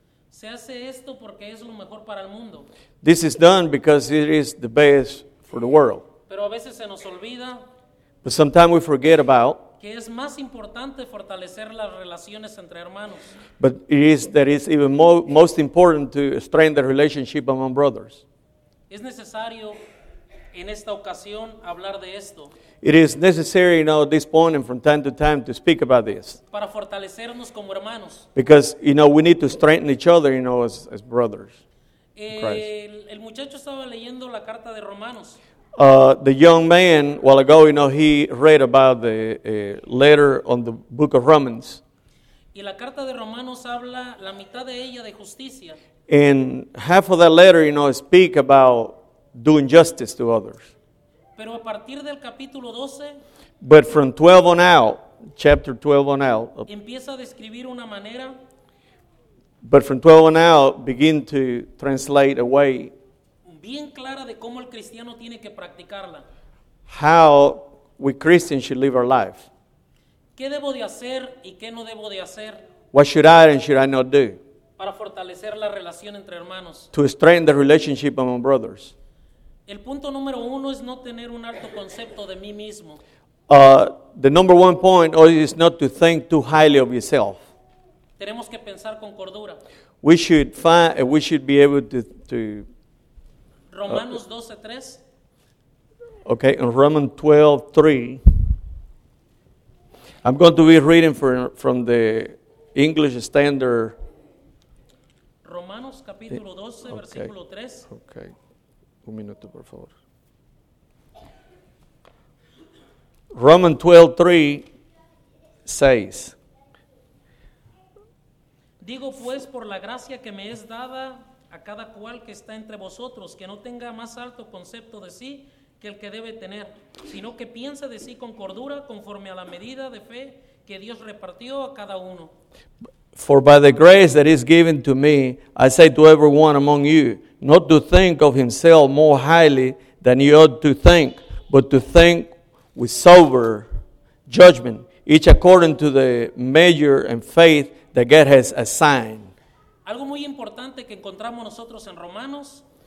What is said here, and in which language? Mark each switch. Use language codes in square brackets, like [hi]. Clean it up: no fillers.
[es] Se hace esto porque es lo mejor para el mundo. [en] This is done because it is the best for the world. [es] Pero a veces se nos olvida, [en] but sometimes we forget about [es] que es más importante fortalecer las relaciones entre hermanos. [en] But it is that it's even most important to strengthen the relationship among brothers. [es] Es necesario en esta ocasión hablar de esto. [en] It is necessary, you know, at this point and from time to time to speak about this. [es] Para fortalecernos como hermanos. [en] Because, you know, we need to strengthen each other, you know, as brothers. [es] El muchacho estaba leyendo la carta de Romanos. [en] The young man, while ago, you know, he read about the letter on the book of Romans. [es] Y la carta de Romanos habla la mitad de ella de justicia. [en] And half of that letter, you know, speak about doing justice to others. [es] Pero a partir del capítulo 12, [en] but from 12 on out, chapter 12 on out, [es] empieza a describir una manera, [en] but from 12 on out, begin to translate away [es] bien clara de cómo el cristiano tiene que practicarla. [en] How we Christians should live our life. [es] ¿Qué debo de hacer y qué no debo de hacer? [en] What should I and should I not do? [es] Para fortalecer la relación entre hermanos. [en] To strengthen the relationship among brothers. [es] El punto número uno es no tener un alto concepto de mí mismo. [en] The number one point is not to think too highly of yourself. [es] Tenemos que pensar con cordura. [en] We should find, we should be able to [es] Romanos 12:3. [en] Okay, in Romans 12:3. I'm going to be reading from the English Standard. [es] Romanos capítulo 12, okay. Versículo 3. Okay. Un minuto, por favor. [en] Romans 12:3 says, [es] digo pues por la gracia que me es dada a cada cual que está entre vosotros, que no tenga más alto concepto de sí que el que debe tener, sino que piense de sí con cordura conforme a la medida de fe que Dios repartió a cada uno. [en] For by the grace that is given to me, I say to everyone among you, not to think of himself more highly than he ought to think, but to think with sober judgment, each according to the measure and faith that God has assigned. [es] Algo muy importante que encontramos nosotros en Romanos.